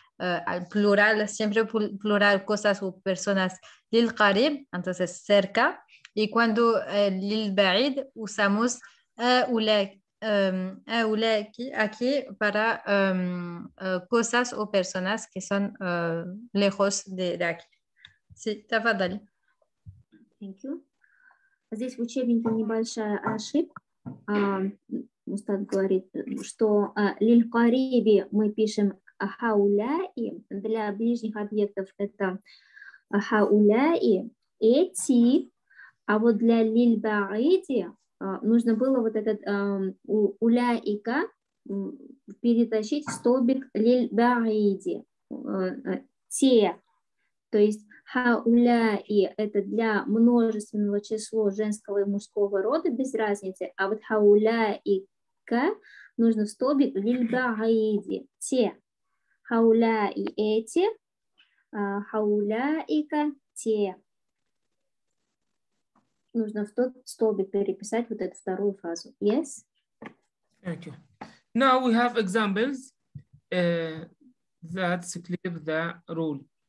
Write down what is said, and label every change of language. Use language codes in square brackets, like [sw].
[es] al plural, siempre plural cosas o personas, lil qarib, entonces cerca, y cuando lil ba'id usamos aquí, aquí para cosas o personas que son lejos de aquí. Sí, tafadali. [en] Thank you. [ru] Здесь в учебнике небольшая ошибка. Устав говорит, что лиль-кариби мы пишем хауляи. Для ближних объектов это хауляи, эти. А вот для лиль-баиди нужно было вот этот уляика перетащить в столбик лиль-баиди. Те. То есть хауляи – это для множественного числа женского и мужского рода, без разницы. А вот хауляика нужно в столбик лильбаиди. Те. Хауляи – эти. Хауляика – те. Нужно в тот столбик переписать вот эту вторую фразу. [en] Yes? Thank you. Now we have examples that clear the rule.